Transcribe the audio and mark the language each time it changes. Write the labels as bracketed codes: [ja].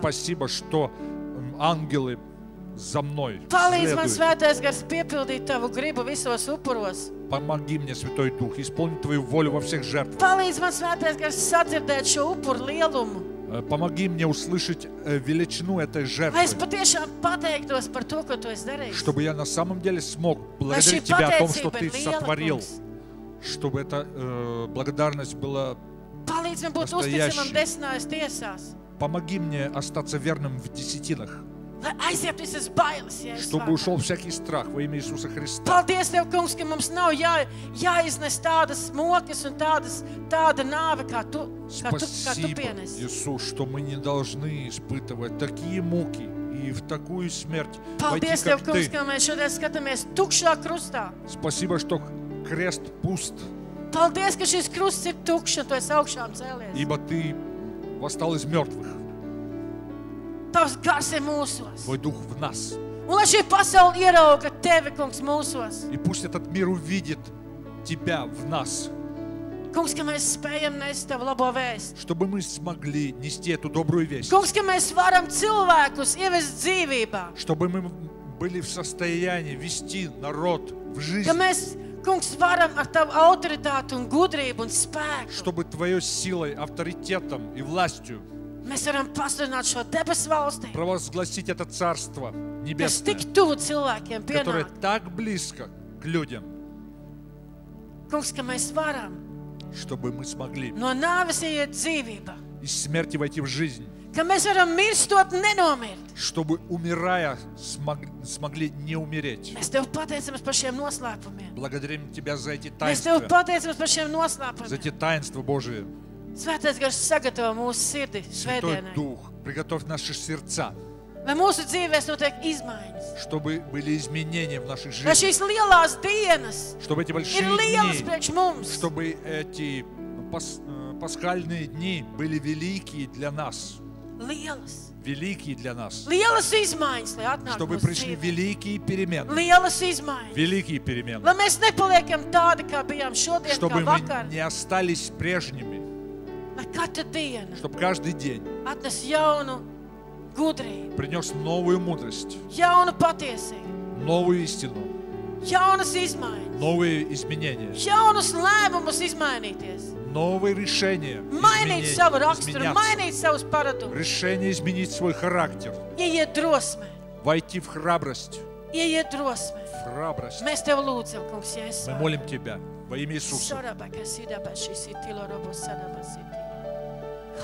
[ru] Спасибо, что ангелы за мной следуют. [lv] Palīdz man, Svētais Gars, piepildīt Tavu gribu visos upuros. [ru] Помоги мне, Святой Дух, исполнить Твою волю во всех жертвах. [lv] Palīdz man, Svētais Gars, sadzirdēt šo upuru lielumu. [ru] Помоги мне услышать величину этой жертвы. [lv] Lai es patiešām pateiktos par to, ko Tu esi darījis. [ru] Чтобы я на самом деле смог благодарить Тебя о том, что Ты сотворил. Чтобы эта благодарность была настоящей. [lv] Palīdz man būt uzticamam desmitās tiesās. [ru] Помоги мне остаться верным в десятинах. [lv] Lai aizietu visas bailes, Jēzus. [ru] Чтобы ушел всякий страх во имя Иисуса Христа. [lv] Paldies Tev, kungs, ka mums nav jāiznes tādas mokas un tāda nāve, kā tu pienesi. [ru] Спасибо, Иисус, что мы не должны испытывать такие муки и в такую смерть войти, как Ты. [lv] Paldies Tev, kungs, ka mēs šodien skatāmies tukšā krustā. [ru] Спасибо, что крест пуст. [lv] Paldies, ka šis krusts ir tukšs, un Tu esi augšām cēlies. [ru] Ибо Ты восстал из мертвых. [lv] Tavs gars ir mūsos. [ru] Твой дух в нас. [lv] Un lai šī pasaule ierauga Tevi, kungs, mūsos. [ru] И пусть этот мир увидит Тебя в нас. [lv] Kungs, ka mēs spējam nest Tavu labo vēstu. [ru] Чтобы мы смогли нести эту добрую весть. [lv] Kungs, ka mēs varam cilvēkus ievest dzīvībā. [ru] Чтобы мы были в состоянии вести народ в жизнь. [lv] Ka mēs, kungs, varam ar Tavu autoritātu un gudrību un spēku. [ru] Чтобы Твоей силой, авторитетом и властью. [lv] Mēs varam pasludināt šo debesu valsti. [ru] Провозгласить это царство небесное. [lv] Kas tik tuvu cilvēkiem pienāk. [ru] Которое так близко к людям. [lv] Kungs, ka mēs varam. [ru] Чтобы мы смогли. [lv] No nāves iet dzīvība. [ru] Из смерти войти в жизнь. [lv] ka mēs varam mirstot nenomirt. [ru] Чтобы умирая смогли не умереть. [lv] Mēs Tev pateicamies par šiem noslēpumiem. [ru] Благодарим Тебя за эти таинства. [lv] Mēs Tev pateicamies par šiem noslēpumiem. [ru] За эти таинства Божии. [lv] Svētais Gars sagatavo mūsu sirdi svētdienai. [ru] Святой Дух, приготовь наши сердца. [lv] Lai mūsu dzīvēs notiek izmaiņas. [ru] Чтобы были изменения в наших жизнях. [lv] Lai šīs lielās dienas. [ru] Чтобы эти большие дни. [lv] Ir lielas priekš mums. [ru] Чтобы эти пасхальные дни были великие для нас. [lv] Lielas. [ru] Великие для нас. [lv] Lielas izmaiņas, lai atnāk. [ru] Чтобы пришли великие перемены. [lv] Lielas izmaiņas. [ru] Великие перемены. [lv] Lai mēs nepaliekam tādi, kā bijām šodien, [ru] чтобы [lv] kā vakar. [ru] Чтобы мы не остались прежними. [lv] Lai katra diena. [ru] Чтобы каждый день. [lv] Atnes jaunu gudrību. [ru] Принёс новую мудрость. [lv] Jaunu patiesību. [ru] Новую истину. [lv] Jaunas izmaiņas. [ru] Новые изменения. [lv] Jaunus lēmumus izmainīties. [ru] Новые решения. [lv] Mainīt savu raksturu, mainīt savus paradumus. [ru] Решение изменить свой характер. [lv] Ieiet drosmē. [ru] Войти в храбрость. [lv] Ieiet drosmē. [ru] Храбрость. [lv] Mēs Tev lūdzam, Kungs, Jēzus. [ru] Мы молим Тебя во имя Иисуса. Сараба, касида, баши, ситило, робо, сараба, сити.